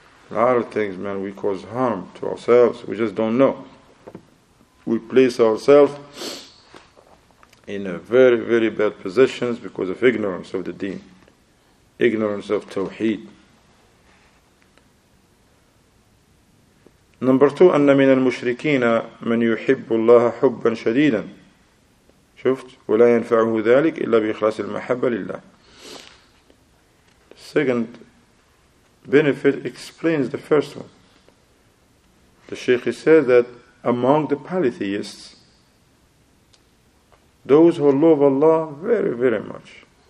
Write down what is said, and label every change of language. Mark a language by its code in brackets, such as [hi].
[en] A lot of things, man, we cause harm to ourselves. We just don't know. We place ourselves in a very, very bad position because of ignorance of the deen, ignorance of tawheed. Number two, [ar] أن من المشركين من يحب الله حبا شديدا. شفت؟ ولا ينفعه ذلك إلا بإخلاص المحبة لله. [en] Second benefit explains the first one. The Shaykh says that among the polytheists, those who love Allah very, very much,